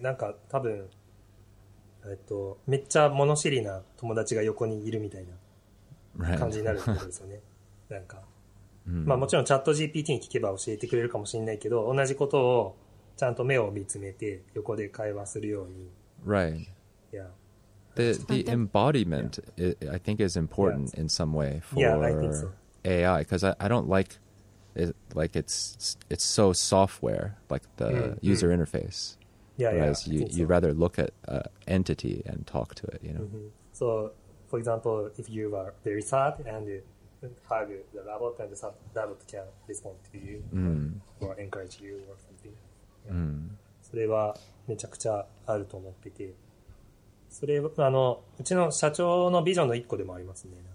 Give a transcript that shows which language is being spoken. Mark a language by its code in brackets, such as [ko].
[ja] なんか多分、めっちゃ物知りな友達が横にいるみたいな感じになるってことですよね。なんか。まあ、もちろんチャット GPT に聞けば教えてくれるかもしれないけど、同じことをちゃんと目を見つめて横で会話するように。 Right. Yeah. [en] The embodiment I think is important in some way for AI, because I don't like it, like it's so software, like the user interface. Whereas you'd rather look at an entity and talk to it, you know. So for example, if you are very sad and hug the robot and the robot can respond to you or encourage you or something. [ja] それはめちゃくちゃあると思ってて、それはうちの社長のビジョンの一個でもありますね。